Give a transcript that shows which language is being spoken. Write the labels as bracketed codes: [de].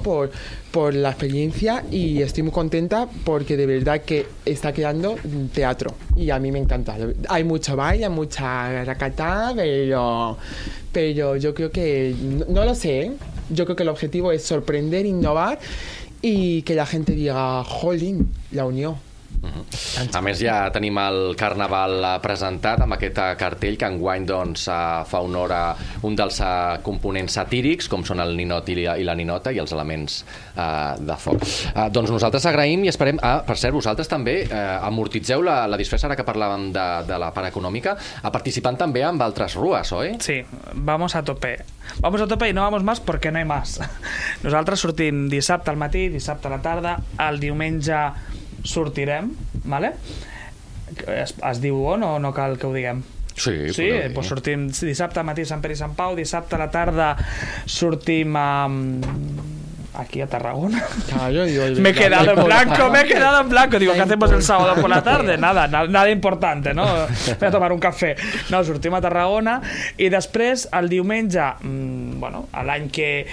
[es] Por la experiencia. Y estoy muy contenta porque de verdad que está quedando teatro. Y a mí me encanta. Hay mucho baile, mucha racata, pero... pero yo creo que, no lo sé, ¿eh? Yo creo que el objetivo es sorprender, innovar y que la gente diga, jolín, la unió. [ca] A més, ja tenim el Carnaval presentat amb aquest cartell que enguany doncs, fa honor a un dels components satírics, com són el ninot i la ninota i els elements de foc. Doncs nosaltres agraïm i esperem... per cert, vosaltres també amortitzeu la disfressa, ara que parlàvem de la part econòmica, a participant també amb altres rues, oi? [es] Sí, vamos a tope. Vamos a tope y no vamos más porque no hay más. [ca] Nosaltres sortim dissabte al matí, dissabte a la tarda, el diumenge... sortirem, vale? Es diu on o no cal que ho diguem? Sí, sí, pues sortim dissabte al matí a Sant Pere i Sant Pau, dissabte a la tarda sortim a... aquí a Tarragona. [es] Me he quedado en blanco, me he quedado en blanco. Digo, ¿qué hacemos el sábado por la tarde? Nada, nada importante, ¿no? Voy a tomar un café. [ca] No, sortim a Tarragona i després, el diumenge, bueno, l'any que...